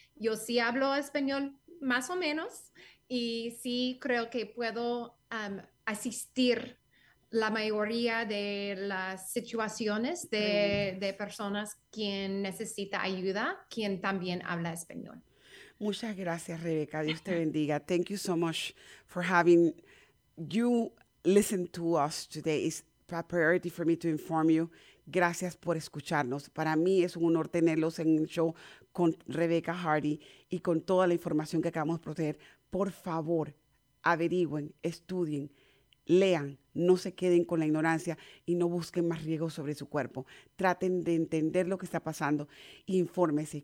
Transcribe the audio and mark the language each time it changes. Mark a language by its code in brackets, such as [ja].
[es] Yo sí hablo español más o menos y sí creo que puedo asistir la mayoría de las situaciones de personas quien necesita ayuda, quien también habla español. Muchas gracias, Rebeca. Dios te bendiga. [en] Thank you so much for having you listen to us today. It's a priority for me to inform you. [es] Gracias por escucharnos. Para mí es un honor tenerlos en el show con Rebeca Hardy y con toda la información que acabamos de proteger. Por favor, averigüen, estudien, lean, no se queden con la ignorancia y no busquen más riesgos sobre su cuerpo. Traten de entender lo que está pasando. Infórmese.